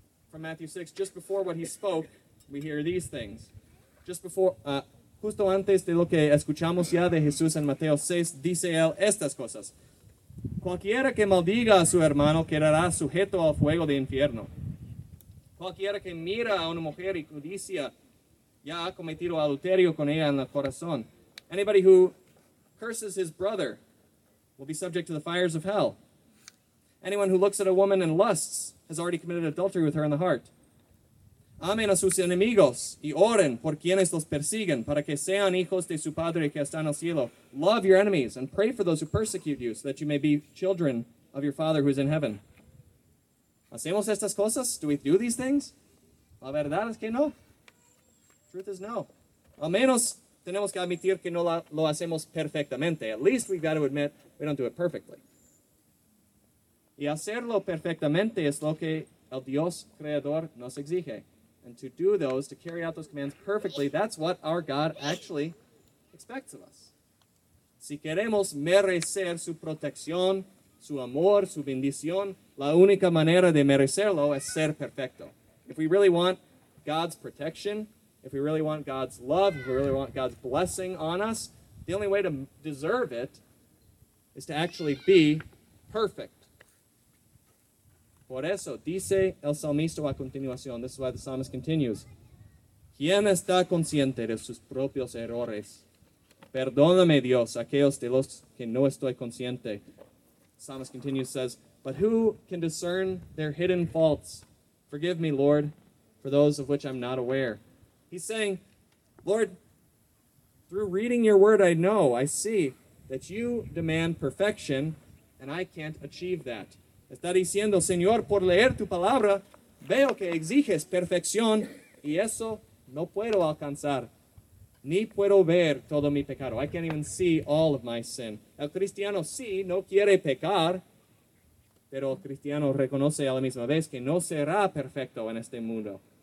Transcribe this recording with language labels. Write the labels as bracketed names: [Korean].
[English] From Matthew 6, just before what he spoke, we hear these things. [Spanish] Justo antes de lo que escuchamos ya de Jesús en Mateo 6, dice él estas cosas. Cualquiera que maldiga a su hermano quedará sujeto al fuego de infierno. Cualquiera que mira a una mujer y codicia ya ha cometido adulterio con ella en el corazón. [English] Anybody who curses his brother will be subject to the fires of hell. Anyone who looks at a woman and lusts has already committed adultery with her in the heart. [Spanish] Amen a sus enemigos y oren por quienes los persiguen para que sean hijos de su padre que está en el cielo. [English] Love your enemies and pray for those who persecute you so that you may be children of your father who is in heaven. [Spanish] ¿Hacemos estas cosas? [English] Do we do these things? [Spanish] La verdad es que no. [English] Truth is no. [Spanish] Al menos tenemos que admitir que no lo hacemos perfectamente. [English] At least we've got to admit we don't do it perfectly. [Spanish] Y hacerlo perfectamente es lo que el Dios creador nos exige. [English] And to do those, to carry out those commands perfectly, that's what our God actually expects of us. [Spanish] Si queremos merecer su protección, su amor, su bendición, la única manera de merecerlo es ser perfecto. [English] If we really want God's protection, if we really want God's love, if we really want God's blessing on us, the only way to deserve it is to actually be perfect. [Spanish] Por eso, dice el salmista a continuación, [English] this is why the psalmist continues, [Spanish] ¿Quién está consciente de sus propios errores? Perdóname, Dios, aquellos de los que no estoy consciente. [English] The psalmist continues, says, But who can discern their hidden faults? Forgive me, Lord, for those of which I'm not aware. He's saying, Lord, through reading your word, I know, I see that you demand perfection, and I can't achieve that. [Spanish] Está diciendo, Señor, por leer tu palabra, veo que exiges perfección y eso no puedo alcanzar. Ni puedo ver todo mi pecado. [English] I can't even see all of my sin. [Spanish] El cristiano sí, no quiere pecar, pero el cristiano reconoce a la misma vez que no será perfecto en este mundo.